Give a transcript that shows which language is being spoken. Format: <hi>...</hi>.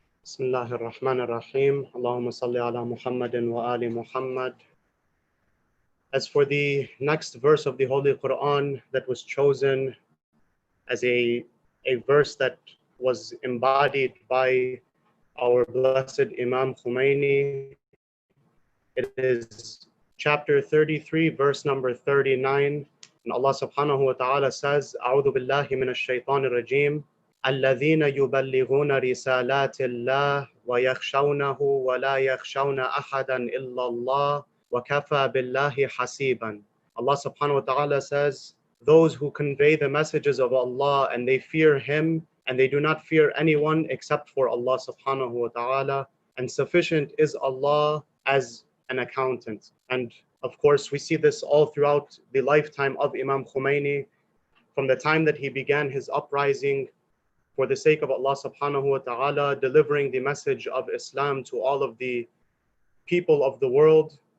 <ar>بسم الله الرحمن الرحيم اللهم صل على محمد وآل محمد.</ar> <en>As for the next verse of the Holy Quran that was chosen as a verse that was embodied by our blessed Imam Khomeini, it is chapter 33, verse number 39. And Allah subhanahu wa ta'ala says,</en> <ar>أعوذ بالله من الشيطان الرجيم الذين يبلغون رسالات الله ويخشونه ولا يخشون أحدا إلا الله وكفى بالله حسيبا.</ar> <en>Allah subhanahu wa ta'ala says, those who convey the messages of Allah and they fear him and they do not fear anyone except for Allah subhanahu wa ta'ala, and sufficient is Allah as an accountant. And of course we see this all throughout the lifetime of Imam Khomeini, from the time that he began his uprising for the sake of Allah subhanahu wa ta'ala, delivering the message of Islam to all of the people of the world.</en>